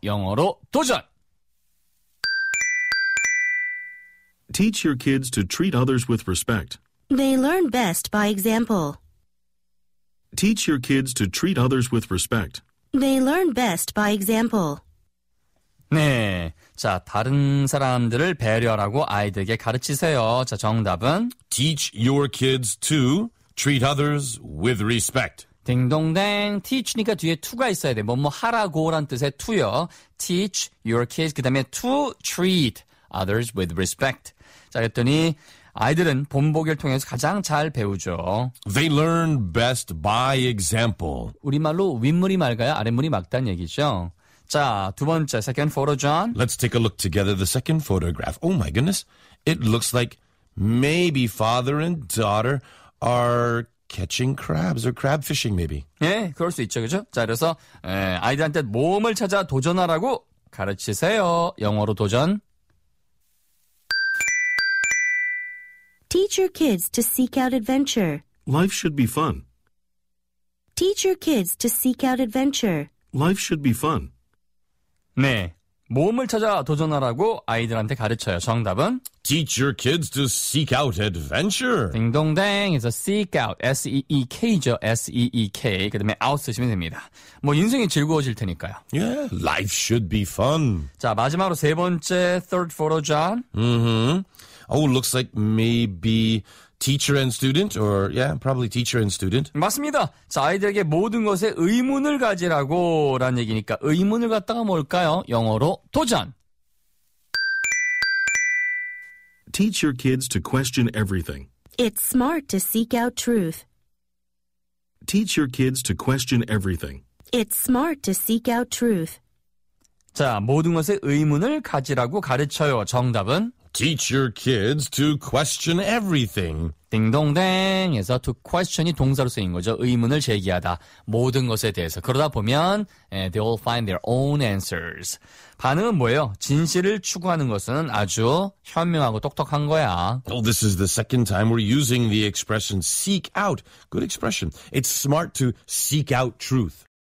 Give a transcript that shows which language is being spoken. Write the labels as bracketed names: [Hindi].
[Korean] 영어로 도전! [English] Teach your kids to treat others with respect. They learn best by example. Teach your kids to treat others with respect. They learn best by example. [Korean] 네. 자, 다른 사람들을 배려하라고 아이들에게 가르치세요. 자, 정답은 [English] Teach your kids to treat others with respect. [Korean] 딩동댕. Teach니까 뒤에 to가 있어야 돼. 뭐뭐 하라고란 뜻의 to요. [English] Teach your kids, [Korean] 그 다음에 [English] to treat others with respect. [Korean] 자, 그랬더니 아이들은 본보기를 통해서 가장 잘 배우죠. [English] They learn best by example. [Korean] 우리말로 윗물이 맑아야 아랫물이 맑다는 얘기죠. 자, 두 번째, [English] second photo, [Korean] John. [English] Let's take a look together, the second photograph. Oh my goodness, it looks like maybe father and daughter are catching crabs or crab fishing maybe. [Korean] 예, 그럴 수 있죠. 그죠? 자, 그래서 예, 아이들한테 모험을 찾아 도전하라고 가르치세요. 영어로 도전. [English] Teach your kids to seek out adventure. Life should be fun. Teach your kids to seek out adventure. Life should be fun. [Korean] 네. 모험을 찾아 도전하라고 아이들한테 가르쳐요. 정답은 [English] Teach your kids to seek out adventure. [Korean] 딩동댕. [English] It's a seek out. S-E-E-K죠. S-E-E-K. [Korean] 그 다음에 out 쓰시면 됩니다. 뭐 인생이 즐거워질 테니까요. [English] Yeah. Life should be fun. [Korean] 자, 마지막으로 세 번째 [English] third photo, [Korean] John. Mm-hmm. [English] Oh, looks like maybe teacher and student or yeah, probably teacher and student. [Korean] 맞습니다. 자, 아이들에게 모든 것에 의문을 가지라고라는 얘기니까 의문을 갖다가 뭘까요? 영어로 도전. [English] Teach your kids to question everything. It's smart to seek out truth. Teach your kids to question everything. It's smart to seek out truth. [Korean] 자, 모든 것에 의문을 가지라고 가르쳐요. 정답은 [English] Teach your kids to question everything. [Korean] 딩동댕. 그래서 to question이 동사로 쓰인 거죠. 의문을 제기하다. 모든 것에 대해서. 그러다 보면 [English] they all find their own answers. [Korean] 반응은 뭐예요? 진실을 추구하는 것은 아주 현명하고 똑똑한 거야. [English] Oh, this is the second time we're using the expression seek out. Good expression. It's smart to seek out truth.